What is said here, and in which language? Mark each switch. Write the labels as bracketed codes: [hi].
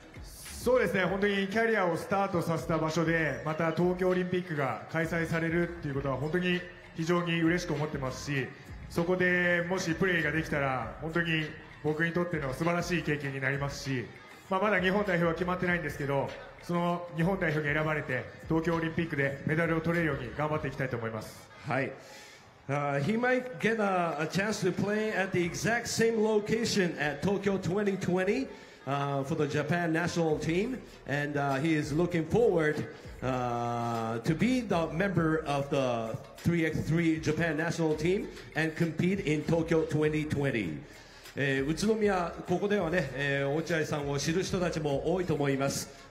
[ja] そうですね、本当にキャリアをスタートさせた場所でまた東京オリンピックが開催されるっていうことは本当に非常に嬉しく思ってますし、そこでもしプレーができたら本当に僕にとっての素晴らしい経験になりますし、まあ、まだ日本代表は決まってないんですけど、その日本代表に選ばれて東京オリンピックでメダルを取れるように頑張っていきたいと思います。はい、 [en] he might get a chance to play at the exact same location at Tokyo 2020 for the Japan national team, and he is looking forward to be the member of the 3x3 Japan national team and compete in Tokyo 2020. [ja] 宇都宮、ここではね、落合さんを知る人たちも多いと思います。